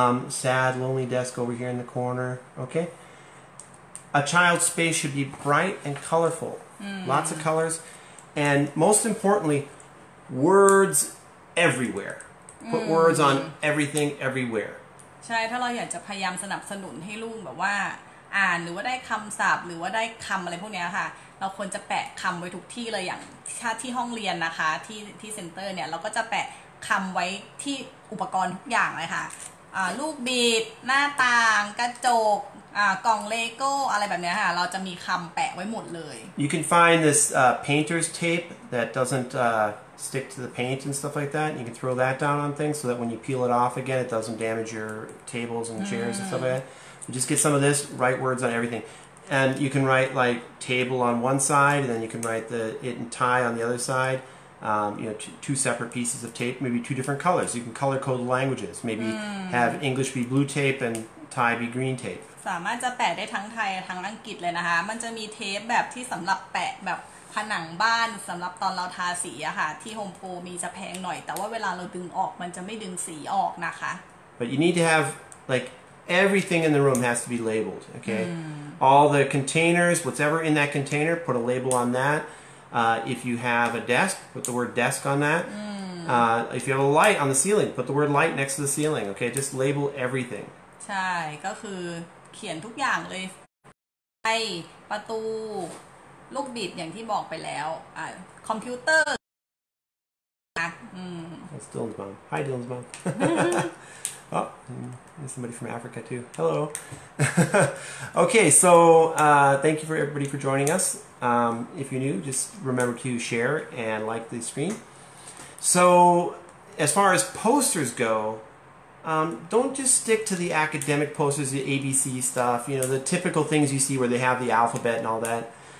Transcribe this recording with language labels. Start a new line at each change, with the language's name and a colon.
English: Sad, lonely desk over here in the corner, okay? A child's space should be bright and colorful. Lots of colors. And most importantly, words everywhere. Put words on everything everywhere.
Thai: ใช่ถ้าเราอยากจะพยายามสนับสนุนให้ลูกแบบว่าอ่านหรือว่าได้คำศัพท์หรือว่าได้คำอะไรพวกนี้ค่ะเราควรจะแปะคำไว้ทุกที่เลยอย่างที่ห้องเรียนนะคะที่เซ็นเตอร์เนี่ยเราก็จะแปะคำไว้ที่อุปกรณ์ทุกอย่างเลยค่ะลูกบีบหน้าต่างกระจกกล่องเลโก้อะไรแบบนี้ค่ะเราจะมีคำแปะไว้หมดเลย
English: You can find this painter's tape that doesn'tstick to the paint and stuff like that. You can throw that down on things so that when you peel it off again, it doesn't damage your tables and chairs and stuff like that. You just get some of this, write words on everything. And you can write like table on one side and then you can write it in tie on the other side. You know, two separate pieces of tape, maybe two different colors. You can color code languages. Maybe have English be blue tape and Thai be green tape.
Thai: สามารถจะแปะได้ทั้งไทยทั้งอังกฤษเลยนะคะมันจะมีเทปแบบที่สำหรับแปะแบบผนังบ้านสำหรับตอนเราทาสีอะค่ะที่โฮมโปรมีจะแพงหน่อยแต่ว่าเวลาเราดึงออกมันจะไม่ดึงสีออกนะคะ
English: But you need to have like everything in the room has to be labeled, okay? Mm. All the containers, whatever in that container, put a label on that. If you have a desk, put the word desk on that. Mm. If you have a light on the ceiling, put the word light next to the ceiling, okay? Just label everything.
Thai: ใช่ก็คือเขียนทุกอย่างเลยไฟประตูลูกบิดอย่างที่บอกไปแล้วคอมพิวเตอร์
English: That's Dylan's mom. Hi, Dylan's mom. Oh, there's somebody from Africa too. Hello. Okay, so thank you for everybody for joining us. If you're new, just remember to share and like the stream. So as far as posters go, don't just stick to the academic posters, the ABC stuff, you know, the typical things you see where they have the alphabet and all that.